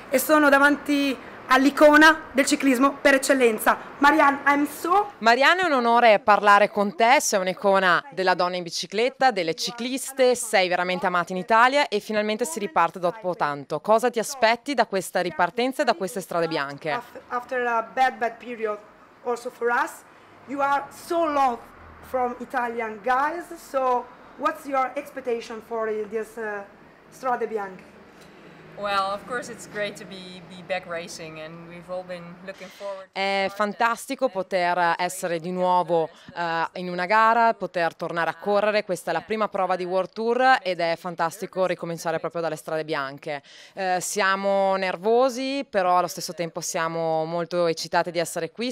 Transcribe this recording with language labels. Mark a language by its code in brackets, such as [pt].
[it] E sono davanti all'icona del ciclismo per eccellenza, Marianne, [en] I'm so... [it] Marianne, è un onore parlare con te, sei un'icona della donna in bicicletta, delle cicliste, sei veramente amata in Italia e finalmente si riparte dopo tanto. Cosa ti aspetti da questa ripartenza e da queste strade bianche? [en] After a bad period also for us, you are so loved from Italian guys, so what's your expectation for this strade bianche? Well, of course it's great to be back racing and we've all been looking forward. [it] È fantastico poter essere di nuovo in una gara, poter tornare a correre. Questa è la prima prova di World Tour ed è fantastico ricominciare proprio dalle strade bianche. Siamo nervosi, però allo stesso tempo siamo molto eccitate di essere qui.